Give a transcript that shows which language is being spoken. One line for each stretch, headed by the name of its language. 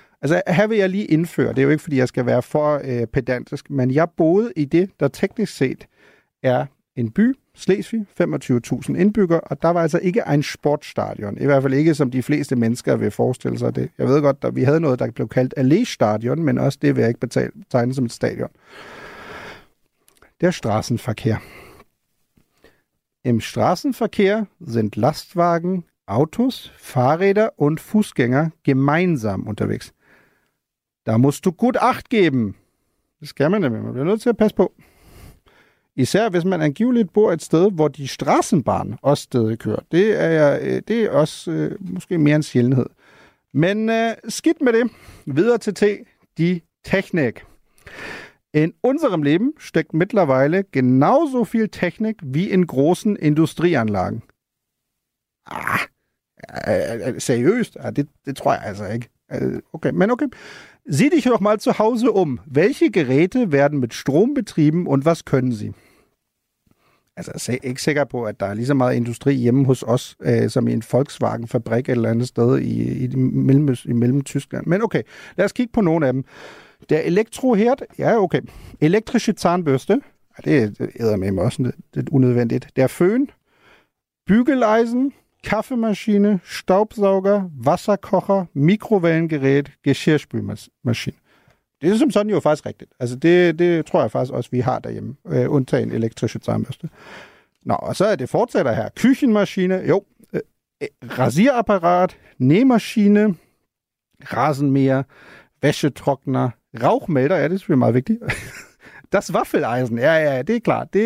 Danish: Altså, her vil jeg lige indføre. Det er jo ikke, fordi jeg skal være for pedantisk, men jeg boede i det, der teknisk set er en by, Slesvig, 25.000 indbyggere, og der var altså ikke en sportstadion. I hvert fald ikke, som de fleste mennesker vil forestille sig det. Jeg ved godt, at vi havde noget, der blev kaldt Allee-stadion, men også det vil jeg ikke betegne som et stadion.
German: Der Straßenverkehr. Im Straßenverkehr sind Lastwagen, Autos, Fahrräder und Fußgänger gemeinsam unterwegs. Da musst du gut Acht geben.
Danish: Das skal man nämlich. Man bliver nødt til at passe på. Især hvis man angiveligt bor et sted, hvor de Straßenbahn også stedet kører. Det er også måske mere en sjældenhed. Men skidt med det. Videre til T. Die Technik.
German: In unserem Leben steckt mittlerweile genauso viel Technik wie in großen Industrieanlagen. Ah, seriös? Das tror ich also nicht. Okay. Sieh dich doch mal zu Hause um. Welche Geräte werden mit Strom betrieben und was können sie? Also, ich bin nicht sicher, dass da so viel Industrie hier bei uns ist, wie in einer Volkswagen-Fabrik oder einem Stadt in Mellem-Tyskland. Aber okay, lass uns mal einen von. Der Elektroherd, ja okay, elektrische Zahnbürste, ja,
Danish: det æder med mig også lidt unødvendigt.
German: Der Föhn, Bügeleisen, Kaffeemaschine, Staubsauger, Wasserkocher, Mikrowellengerät, Geschirrspülmaschine.
Danish: Det er som sådan jo faktisk rigtigt. Altså det tror jeg faktisk også, vi har derhjemme, undtagen elektrische Zahnbürste. Nå, og så er det fortsætter her.
German: Küchenmaschine, jo, Rasierapparat, Nähmaschine, Rasenmäher, Wäschetrockner, Rauchmelder, ja, das ist mir mal wichtig. Das Waffeleisen, ja, das ist klar.